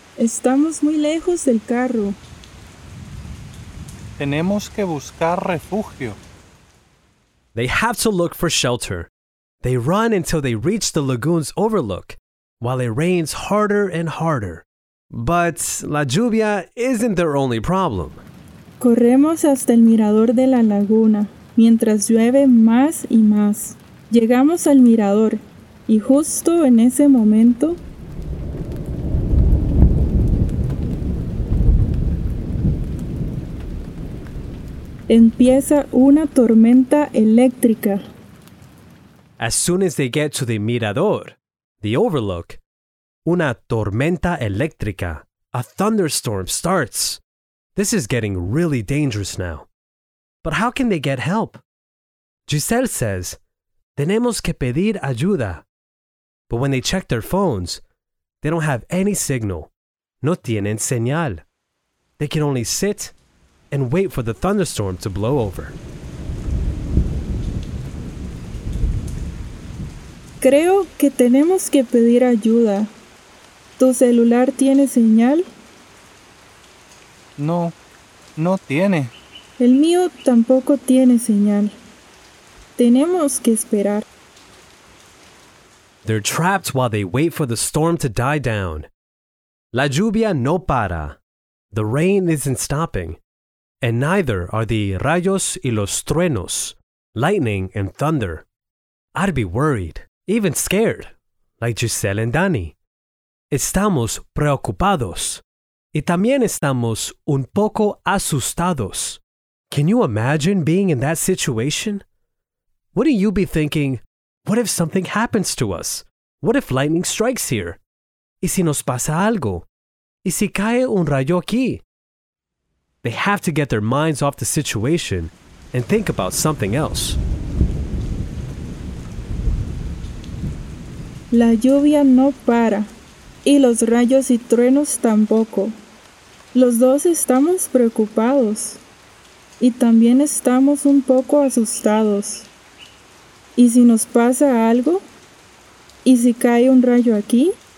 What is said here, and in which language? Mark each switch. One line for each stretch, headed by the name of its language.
Spanish: Estamos muy lejos del carro. Tenemos que buscar refugio.
English: They have to look for shelter. They run until they reach the lagoon's overlook, while it rains harder and harder. But la lluvia isn't their only problem.
Spanish: Corremos hasta el mirador de la laguna, mientras llueve más y más. Llegamos al mirador, y justo en ese momento, empieza una tormenta eléctrica.
English: As soon as they get to the mirador, the overlook,
Spanish: una tormenta eléctrica,
English: a thunderstorm starts. This is getting really dangerous now. But how can they get help? Giselle says,
Spanish: tenemos que pedir ayuda.
English: But when they check their phones, they don't have any signal.
Spanish: No tienen señal.
English: They can only sit and wait for the thunderstorm to blow over.
Spanish: Creo que tenemos que pedir ayuda. ¿Tu celular tiene señal? No, no tiene. El mío tampoco tiene señal. Tenemos que esperar.
English: They're trapped while they wait for the storm to die down.
Spanish: La lluvia no para.
English: The rain isn't stopping. And neither are the
Spanish: rayos y los truenos,
English: lightning and thunder. I'd be worried, even scared, like Giselle and Dani.
Spanish: Estamos preocupados. Y también estamos un poco asustados.
English: Can you imagine being in that situation? wouldn't you be thinking, what if something happens to us? What if lightning strikes here?
Spanish: ¿Y si nos pasa algo? ¿Y si cae un rayo aquí?
English: They have to get their minds off the situation and think about something else.
Spanish: La lluvia no para, y los rayos y truenos tampoco. Los dos estamos preocupados, y también estamos un poco asustados. ¿Y si nos pasa algo? ¿Y si cae un rayo aquí?